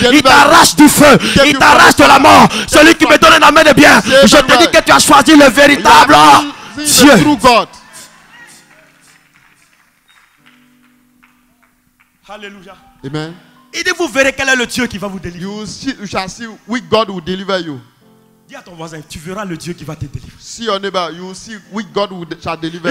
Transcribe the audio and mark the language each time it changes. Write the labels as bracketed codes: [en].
[fr] Il t'arrache du feu. Il t'arrache de la mort. Celui qui me donne un amen de bien, je te dis que tu as choisi le véritable Dieu. Alléluia. Amen. Il dit, vous verrez quel est le Dieu qui va vous délivrer. [en] You shall see which God will deliver you. [fr] Dis à ton voisin, tu verras le Dieu qui va te délivrer. [en] See your neighbor, you will see which God shall deliver